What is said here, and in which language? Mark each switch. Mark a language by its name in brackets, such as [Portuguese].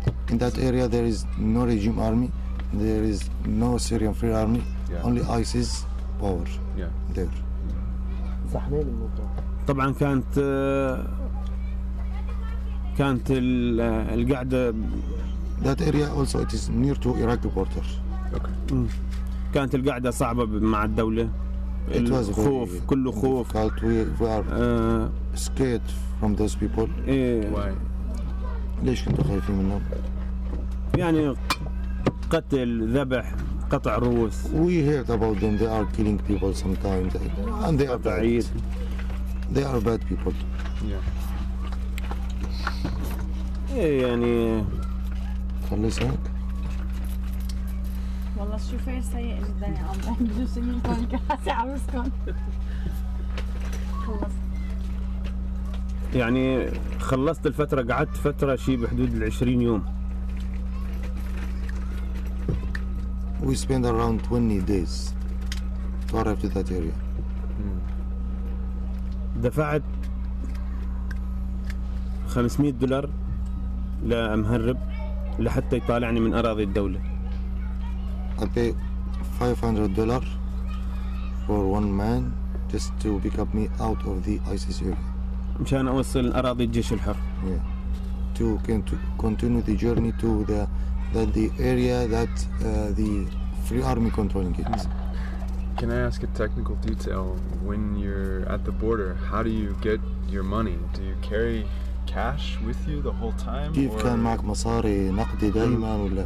[English] In that area there is no regime army, there is no Syrian free army, only ISIS. Power. Yeah. There. [Arabic] طبعا كانت القعدة. [English] That area also it is near to Iraq border. Okay. [Arabic] كانت القعدة صعبة مع الدولة. [English] It was [Arabic] خوف [English] very, [Arabic] كله خوف. [English] Difficult. We are scared from those people. Why? [Arabic] ليش كنتوا خايفين منهم؟ يعني قتل ذبح. قطع روس. [English] We heard about them. They are killing people sometimes, and they are bad. They are bad people. Yeah. [Arabic] إيه يعني. خلص هيك. والله الشوفير سيء جدا يا عم. بدو سمين كان كاسع مسكن. خلص. يعني خلصت الفترة قعدت فترة شيء بحدود 20 يوم. [English] We spend around 20 days to arrive to that area. [Arabic] دفعت $500 لمهرب لحتى يطالعني من أراضي الدولة. [English] I pay $500 for one man just to pick up me out of the ISIS area. [Arabic] مشان أوصل أراضي الجيش الحر. [English] Yeah. To continue the journey to the area that the Free army controlling it. Can I ask a technical detail? When you're at the border, how do you get your money? Do you carry cash with you the whole time? [Arabic] كيف كان معك مصاري نقدي دائما ولا؟